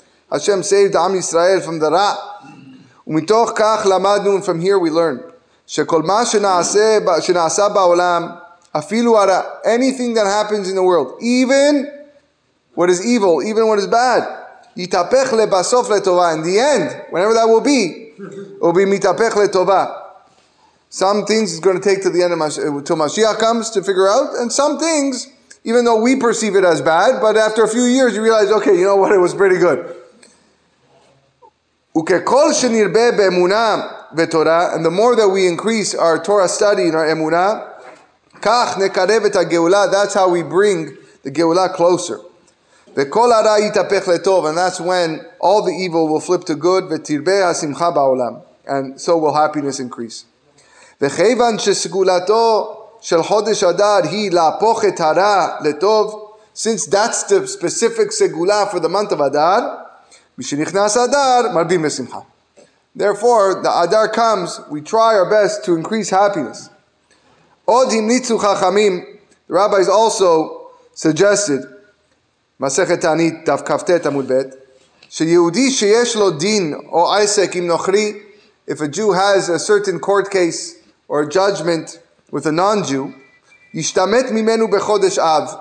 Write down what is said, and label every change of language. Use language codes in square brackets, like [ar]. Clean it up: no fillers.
[en] Hashem saved Am Yisrael from the ra. [he] ומתוך כך למדנו, [en] and from here we learned, [he] שכל מה שנעשה בעולם, אפילו הרע, [en] anything that happens in the world, even what is evil, even what is bad, [he] יתהפך לבסוף לטובה, [en] in the end, whenever that will be, will be [he] מתהפך לטובה. [en] Some things is going to take to the end of until Mashiach comes to figure out, and some things, even though we perceive it as bad, but after a few years you realize, okay, you know what, it was pretty good. [he] וככל שנרבה באמונה ותורה, [en] and the more that we increase our Torah study and our אמונה, [he] כך נקרב את הגאולה, [en] that's how we bring the גאולה closer. [he] וכל הרע יתהפך לטוב, [en] and that's when all the evil will flip to good, [he] ותרבה השמחה בעולם, [en] and so will happiness increase. [he] וכיוון שסגולתו של חודש אדר היא להפוך את הרע לטוב, [en] since that's the specific סגולה for the month of Adar, [he] משנכנס אדר, מרבים בשמחה. [en] Therefore, the Adar comes, we try our best to increase happiness. [he] עוד המליצו חכמים, [en] the rabbis also suggested, [he] מסכת תענית, דף כ"ט עמוד ב', שיהודי שיש לו דין או עסק עם נוכרי, [en] if a Jew has a certain court case or a judgment with a non-Jew, [he] ישתמט ממנו בחודש אב.